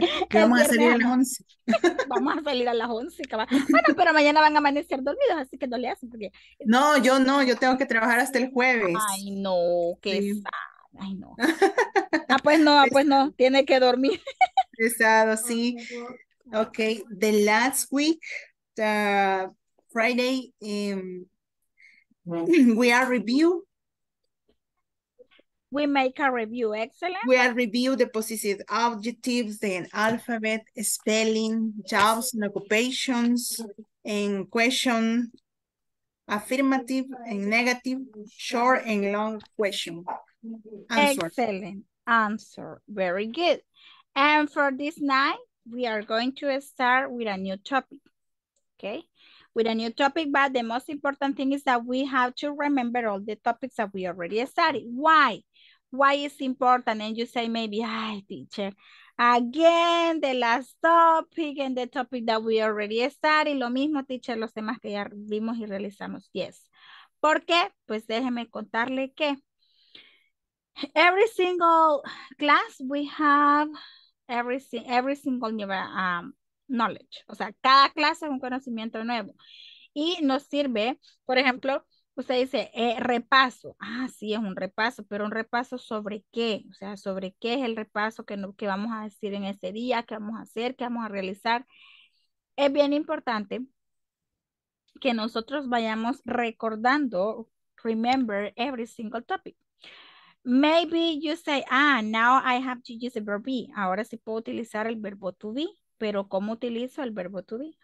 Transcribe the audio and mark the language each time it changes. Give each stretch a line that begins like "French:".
Spanish: Que El vamos a salir a las 11. Vamos a salir a las 11, cabal. Bueno, pero mañana van a amanecer dormidos, así que no le hacen. Porque... No, yo no, yo tengo que trabajar hasta el jueves. Ay, no, qué sí. Sad. Ay, no. Ah, pues no, ah, pues no, tiene que dormir. Pesado, sí.
English: Ok, the last week, the Friday, we are review. We make a review, excellent. We are review the positive objectives, then alphabet, spelling, jobs and occupations, and question, affirmative and negative, short and long question. Answer. Excellent answer, very good. And for this night, we are going to start with a new topic, okay? With a new topic, but the most important thing is that we have to remember all the topics that we already studied. Why? Why is important? And you say maybe, ay, teacher, again, the last topic and the topic that we already studied.
Spanish: Lo mismo, teacher, los temas que ya vimos y realizamos.
English: Yes.
Spanish: ¿Por qué? Pues déjeme contarle que
English: every single class we have every single new knowledge.
Spanish: O sea, cada clase es un conocimiento nuevo. Y nos sirve, por ejemplo, usted dice, repaso. Ah, sí, es un repaso, pero ¿un repaso sobre qué? O sea, ¿sobre qué es el repaso que, no, que vamos a decir en ese día? ¿Qué vamos a hacer? ¿Qué vamos a realizar? Es bien importante que nosotros vayamos recordando,
English: remember every single topic. Maybe you say, ah, now I have to use the verb be.
Spanish: Ahora sí puedo utilizar el verbo to be, pero ¿cómo utilizo el verbo to be?